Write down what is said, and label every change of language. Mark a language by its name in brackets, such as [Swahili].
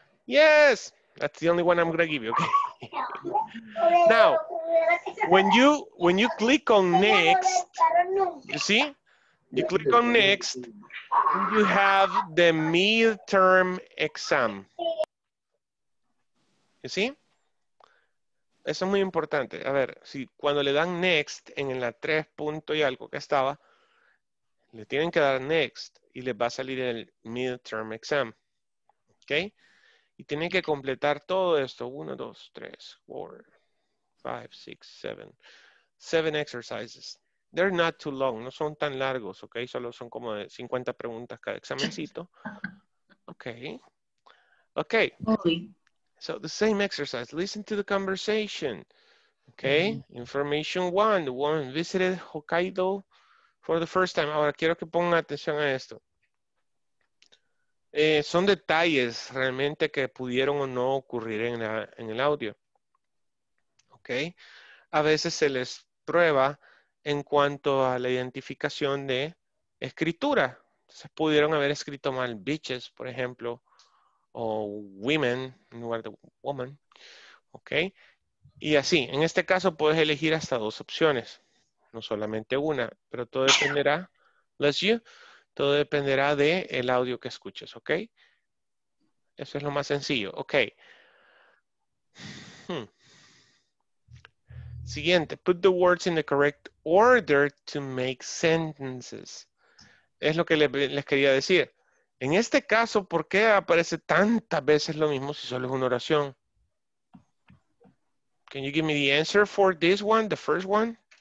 [English] Yes, that's the only one I'm gonna give you, okay. Now, when you click on next, you see, you click on next, you have the midterm exam. You see? [Spanish] Eso es muy importante. A ver, si cuando le dan next en la 3 punto y algo que estaba, le tienen que dar next y les va a salir el midterm exam. Okay? Y tienen que completar todo esto. 1, 2, 3, 4, 5, 6, 7. [English] 7 exercises. They're not too long. [Spanish] No son tan largos, [English] okay? [Spanish] Solo son como de 50 preguntas cada examencito. Okay. Okay. [English] So the same exercise. Listen to the conversation. Okay. Mm-hmm. Information one. The woman visited Hokkaido for the first time. [Spanish] Ahora quiero que pongan atención a esto. Son detalles realmente que pudieron o no ocurrir en el audio. Okay. A veces se les prueba en cuanto a la identificación de escritura. Se pudieron haber escrito mal bitches, por ejemplo, o women en lugar de woman. Okay. Y así, en este caso puedes elegir hasta dos opciones, no solamente una, pero todo dependerá, [English] bless you, [Spanish] todo dependerá de el audio que escuches, okay? Eso es lo más sencillo, okay. Siguiente, [English] put the words in the correct order to make sentences. [Spanish] Es lo que les quería decir. En este caso, ¿por qué aparece tantas veces lo mismo si solo es una oración? [English] Can you give me the answer for this one, the first one?